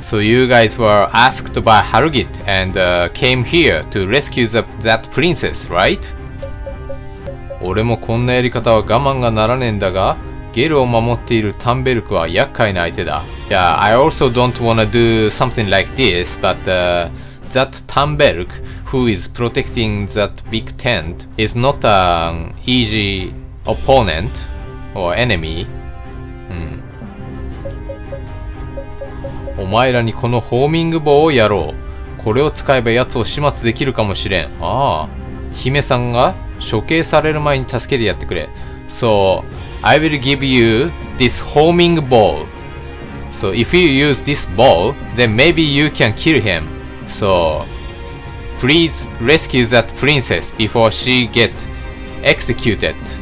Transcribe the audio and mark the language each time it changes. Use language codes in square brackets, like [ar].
[en] So you guys were asked by Harugit and came here to rescue that princess, right? [ja] 俺もこんなやり方は我慢がならねえんだが。ゲルを守っているタンベルクは厄介な相手だ。 [en] Yeah, I also don't wanna do something like this, but that Tanberg, who is protecting that big tent, is not an easy opponent or enemy. [ja] お前らにこのホーミング棒をやろう。これを使えば奴を始末できるかもしれん。ああ、姫さんが処刑される前に助けてやってくれ。 [en] So, I will give you this homing ball. So, if you use this ball, then maybe you can kill him. So, please rescue that princess before she get executed.